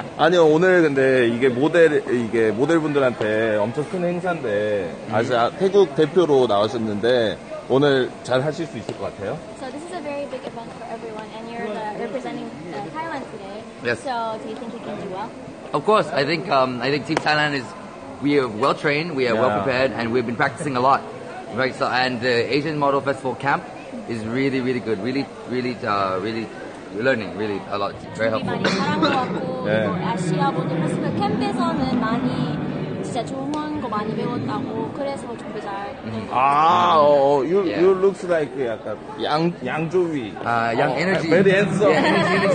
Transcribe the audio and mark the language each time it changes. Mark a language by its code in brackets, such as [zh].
[ko] 오늘 오늘 근데 이게 모델 분들한테 엄청 큰 행사인데 아시아 태국 대표로 나왔었는데 오늘 잘 하실 수 있을 것 같아요. [en] So this is a very big event for everyone, and you're representing Thailand today. Yes. So do you think you can do well? Of course. I think Team Thailand is we are well trained, we are well prepared, and we've been practicing a lot. Right. So and the Asian Model Festival camp is really really good. Really really really. Learning really a lot, very helpful. [ko] 많이 사랑받고 아시아 모델 페스티벌 캠프에서는 많이 진짜 좋은 거 많이 배웠다고 그래서 좀 잘. 아, [en] you looks like [ko] 약간 양조위. 아, 양 에너지. [en] Very handsome.